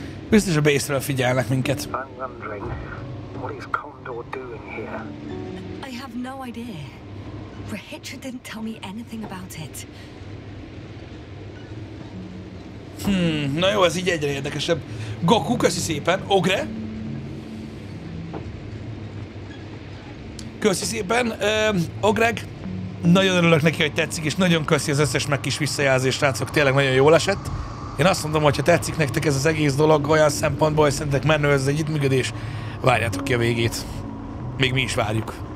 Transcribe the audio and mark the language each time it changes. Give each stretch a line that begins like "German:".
Hungarian: Biztos a base-ről figyelnek minket.
English: I'm wondering, what is Condor doing here? I have no idea. Rahitra didn't tell me anything about it.
Hungarian: Na jó, ez így egyre érdekesebb. Goku, köszi szépen. Ogre? Köszi szépen, Ogreg. Nagyon örülök neki, hogy tetszik, és nagyon köszi az összes meg kis visszajelzést, srácok. Tényleg nagyon jól esett. Én azt mondom, hogy ha tetszik nektek ez az egész dolog olyan szempontból, hogy szerintek menő ez egy ittműködés, várjátok ki a végét. Még mi is várjuk.